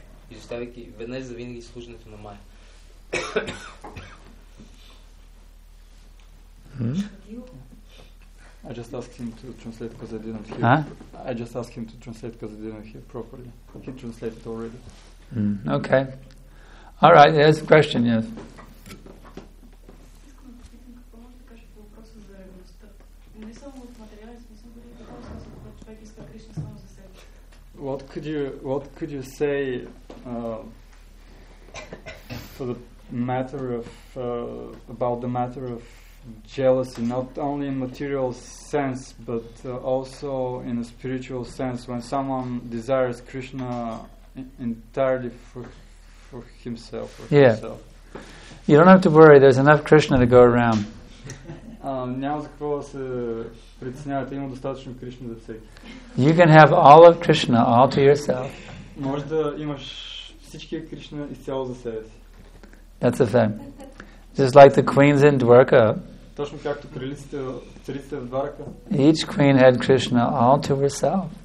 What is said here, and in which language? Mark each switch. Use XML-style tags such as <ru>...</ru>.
<bg>Изоставяйки веднъж за винаги служенето на Maya.</bg> <en>I just asked him to translate because I didn't hear. I just asked him to translate because I didn't hear properly. He translated already. Okay. All right. There's a question. Yes. What could you say for the matter of about the matter of jealousy, not only in material sense, but also in a spiritual sense, when someone desires Krishna entirely for himself. You don't have to worry. There's enough Krishna to go around.</en> <bg>Няма за какво да се притеснявате. Има достатъчно Кришна за всеки.</bg> <en>You can have all of Krishna all to yourself.</en> <bg>Може да имаш всичкия Кришна изцяло за себе си.</bg> <en>That's a fact. Just like the queens in Dwarka.</en> <bg>Точно както кралиците, царите в Дварка.</bg> <en>Each queen had Krishna all to herself.</en>